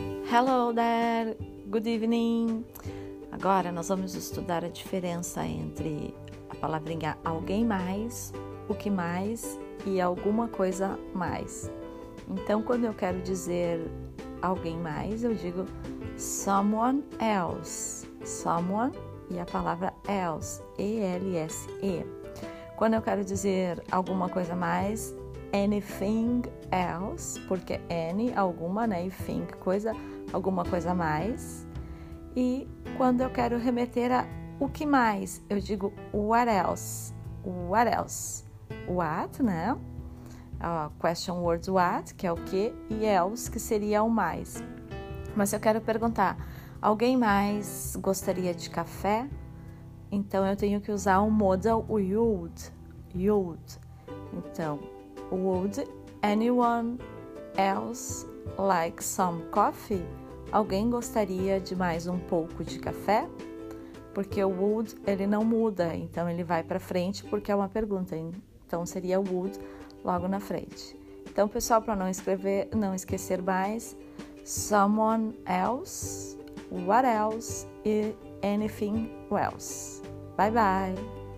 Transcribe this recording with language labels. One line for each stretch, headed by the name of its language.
English: Hello there, good evening.
Portuguese: Agora nós vamos estudar a diferença entre a palavrinha alguém mais, o que mais e alguma coisa mais. Então, quando eu quero dizer alguém mais, eu digo
English: someone else.
Portuguese: Someone e a palavra else, E-L-S-E. Quando eu quero dizer alguma coisa mais,
English: anything else,
Portuguese: porque any, alguma, né, e think, coisa, alguma coisa a mais. E quando eu quero remeter a o que mais, eu digo
English: what else, what else. What,
Portuguese: né?
English: Question words what,
Portuguese: que é o que, e else, que seria o mais. Mas eu quero perguntar, alguém mais gostaria de café? Então eu tenho que usar o modal would, would.
English: Então, would anyone else like some coffee?
Portuguese: Alguém gostaria de mais um pouco de café? Porque o would, ele não muda, então ele vai para frente porque é uma pergunta. Então seria would logo na frente. Então, pessoal, para não esquecer mais,
English: someone else, what else
Portuguese: e
English: anything else. Bye, bye!